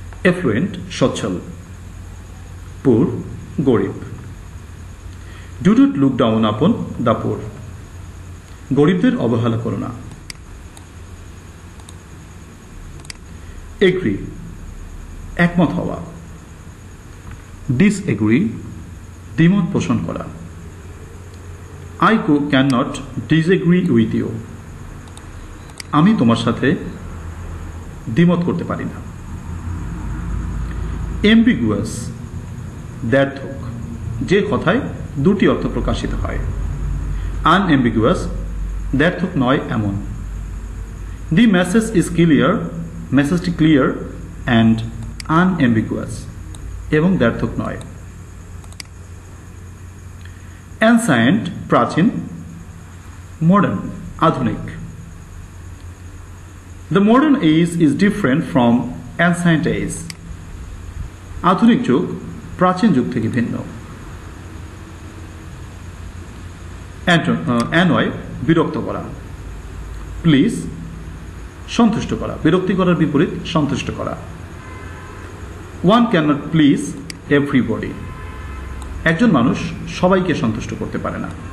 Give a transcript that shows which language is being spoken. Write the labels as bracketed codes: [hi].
[en] affluent সচ্ছল, poor গরিব, do not look down upon the poor, [bn] গরিবদের অবহেলা করো না। এগ্রি, একমত হওয়া, ডিস এগ্রি, দ্বিমত পোষণ করা। [en] I cannot disagree with you. [bn] আমি তোমার সাথে দ্বিমত করতে পারি না। Ambiguous, দ্ব্যর্থক, যে কথায় দুটি অর্থ প্রকাশিত হয়। Unambiguous, দ্ব্যর্থক নয় এমন। [en] The message is clear, message clear and unambiguous, [bn] এবং দ্ব্যর্থক নয়। Ancient, প্রাচীন, modern, আধুনিক। [en] The modern age is different from ancient age, [bn] আধুনিক যুগ প্রাচীন যুগ থেকে ভিন্ন। অ্যানয়, বিরক্ত করা, প্লিজ, সন্তুষ্ট করা, বিরক্তি করার বিপরীত সন্তুষ্ট করা। [en] one cannot please everybody, [bn] একজন মানুষ সবাইকে সন্তুষ্ট করতে পারে না।